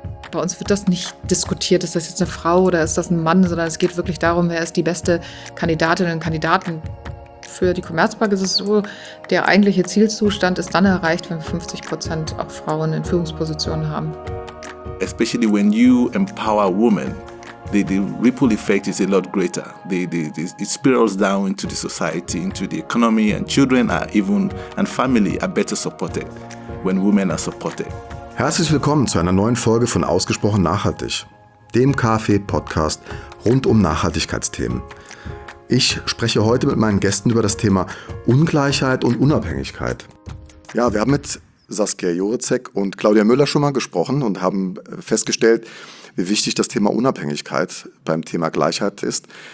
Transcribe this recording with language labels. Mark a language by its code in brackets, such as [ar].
[de] Bei uns wird das nicht diskutiert, ist das jetzt eine Frau oder ist das ein Mann, sondern es geht wirklich darum, wer ist die beste Kandidatin und Kandidaten. Für die Commerzbank ist es so, der eigentliche Zielzustand ist dann erreicht, wenn 50% auch Frauen in Führungspositionen haben. [en] Especially when you empower women, the ripple effect is a lot greater. It spirals down into the society, into the economy, and children are even and family are better supported when women are supported. [de] Herzlich willkommen zu einer neuen Folge von Ausgesprochen nachhaltig, dem KfW-Podcast rund um Nachhaltigkeitsthemen. Ich spreche heute mit meinen Gästen über das Thema Ungleichheit und Unabhängigkeit. Ja, wir haben mit Saskia Jurecek und Claudia Müller schon mal gesprochen und haben festgestellt, wie wichtig das Thema Unabhängigkeit beim Thema Gleichheit ist.